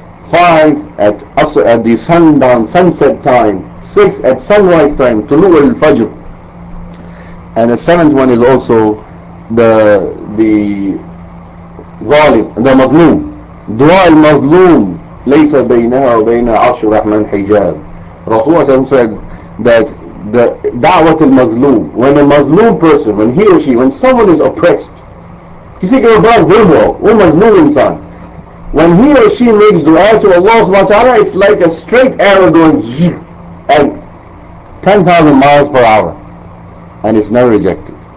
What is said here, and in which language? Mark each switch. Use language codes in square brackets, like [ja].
[en] Five, at the sundown, sunset time. Six, at sunrise time, tulu' al-fajr. And the seventh one is also the ghalib, the mazloom. Dua al-mazloom, [ar] ليس بينها وبين عرش الرحمن حجاب. رسول الله صلى الله عليه وسلم [en] said that the da'wah al-mazloom, when a mazloom person, when he or she, when someone is oppressed, [ur] kisi ke baad zulm ho, woh mazloom insaan, [en] when he or she makes dua to Allah subhanahu wa ta'ala, it's like a straight arrow going zzz, at 10,000 miles per hour, and it's never rejected.